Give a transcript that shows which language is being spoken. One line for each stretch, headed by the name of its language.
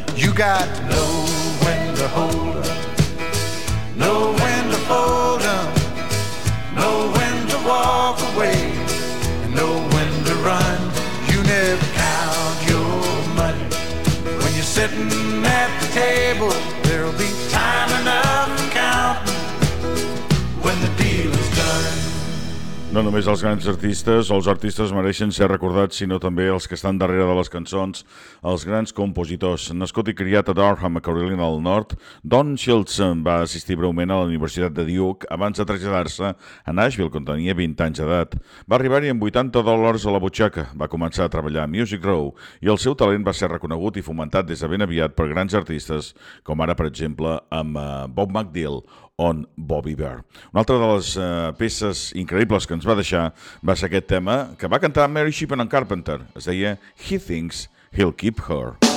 English: You got to know when to hold 'em, know when to fold 'em, know when to walk away, and know when to run. You never count your money when you're sitting at the table. There'll be time enough for counting when the deal is done.
Catalan: No només els grans artistes o els artistes mereixen ser recordats, sinó també els que estan darrere de les cançons, els grans compositors. Nascut i criat a Durham, a Carolina del Nord, Don Shields va assistir breument a la Universitat de Duke abans de traslladar-se a Nashville, quan tenia 20 anys d'edat. Va arribar-hi amb $80 a la butxaca, va començar a treballar a Music Row i el seu talent va ser reconegut i fomentat des de ben aviat per grans artistes, com ara, per exemple, amb Bob McDill, on Bobby Bear. Una altra de les peces increïbles que ens va deixar va ser aquest tema que va cantar Mary Sheep and Carpenter. Es deia He Thinks He'll Keep Her.